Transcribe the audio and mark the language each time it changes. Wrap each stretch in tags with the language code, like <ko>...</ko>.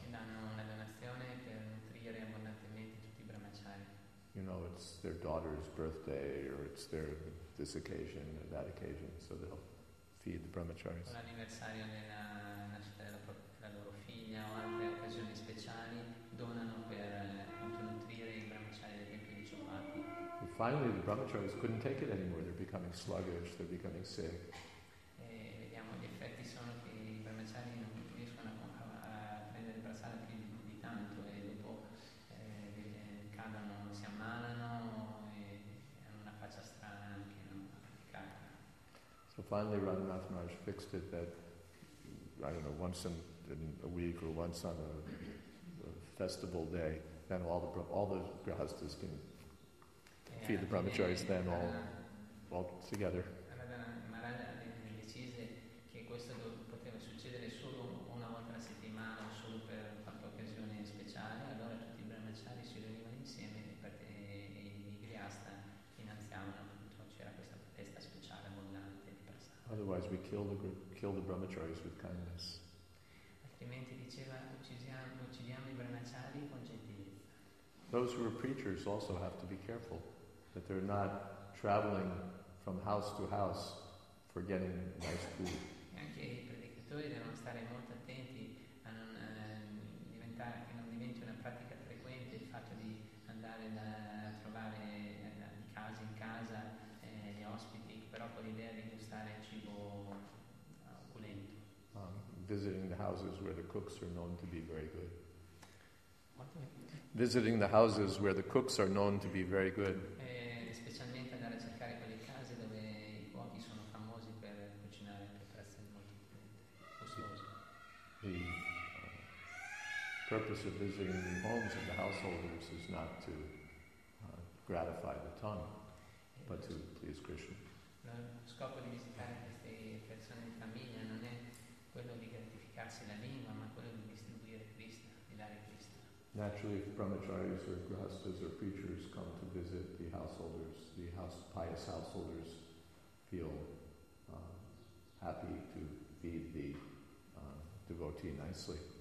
<it>Danno una donazione per nutrire abbondantemente tutti i brahmachari.</it> <en>You know, it's their daughter's birthday or it's their this occasion or that occasion, so they'll feed the brahmacharis.</en> <it>L'anniversario della nascita della loro figlia o altre occasioni speciali donano per nutrire i brahmachari del tempio di Chapati.</it> <en>And finally, the brahmacharis couldn't take it anymore. They're becoming sluggish. They're becoming sick.</en> <it>Vediamo gli effetti sono che i brahmachari non riescono a prendere il prasada più di tanto e dopo cadono, si ammalano e hanno una faccia strana anche, non praticata.</it> <en>So finally, Raghunath Maharaj fixed it that I don't know once in a week or once on a festival day, then all the grihasthas can feed the brahmacharis then all together.</en> <it>Maharaj decise che questo poteva succedere solo una volta a settimana o solo per qualche occasione speciale, allora tutti i brahmachari si riunivano insieme perché i griasta finanziavano tutto, c'era questa festa speciale abbondante di prasada.</it> <en>Otherwise we kill the brahmacharis with kindness.</en> <it>Altrimenti diceva uccidiamo i brahmachari con gentilezza.</it> <en>Those who are preachers also have to be careful that they're not traveling from house to house for getting nice food.</en> <it>Anche i predicatori devono stare molto attenti a non diventare, che non diventi una pratica frequente il fatto di andare a trovare di casa in casa gli ospiti, però con l'idea di gustare cibo opulento.</it> <en>Visiting the houses where the cooks are known to be very good. Visiting the houses where the cooks are known to be very good.</en> <it>Specialmente andare a cercare quelle case dove i cuochi sono famosi per cucinare per prezzi molto costosi.</it> <en>The purpose of visiting the homes of the householders is not to gratify the tongue, but to please Krishna.</en> <it>Lo scopo di visitare queste persone di famiglia non è quello di gratificarsi la lingua, ma quello di distribuire Krishna, di dare Krishna.</it> <en>Naturally, if brahmacharis or grihasthas or preachers come to visit the householders, pious householders feel happy to feed the devotee nicely.</en>